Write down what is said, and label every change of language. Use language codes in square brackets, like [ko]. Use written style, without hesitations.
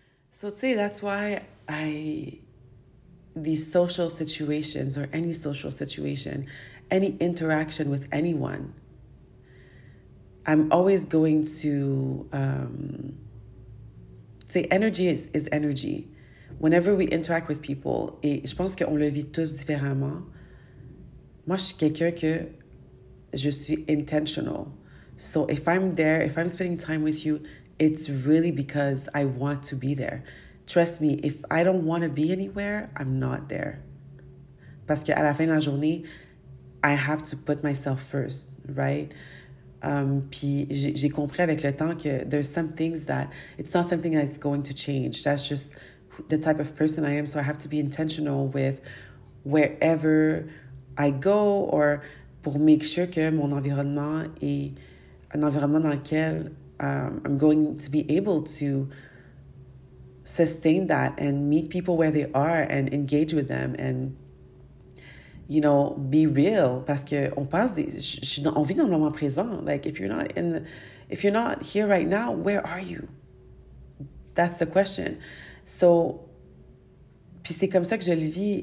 [en] So say that's why these social situations or any social situation, any interaction with anyone, I'm always going to say energy is energy. Whenever we interact with people, [fr] et je pense qu'on le vit tous différemment. Moi, je suis quelqu'un que je suis intentional. [en] So if I'm there, if I'm spending time with you, it's really because I want to be there. Trust me, if I don't want to be anywhere, I'm not there. [fr] Parce qu'à la fin de la journée, [en] I have to put myself first, right? [fr] Puis j'ai compris avec le temps que [en] there's some things that, it's not something that's going to change. That's just the type of person I am. So I have to be intentional with wherever I go or pour make sure [fr] que mon environnement est un environnement dans lequel [en] I'm going to be able to sustain that and meet people where they are and engage with them and, you know, be real. [fr] Parce que on vit dans le moment présent. [en] Like, if you're not here right now, where are you? That's the question. [fr] So, puis c'est comme ça que je le vis.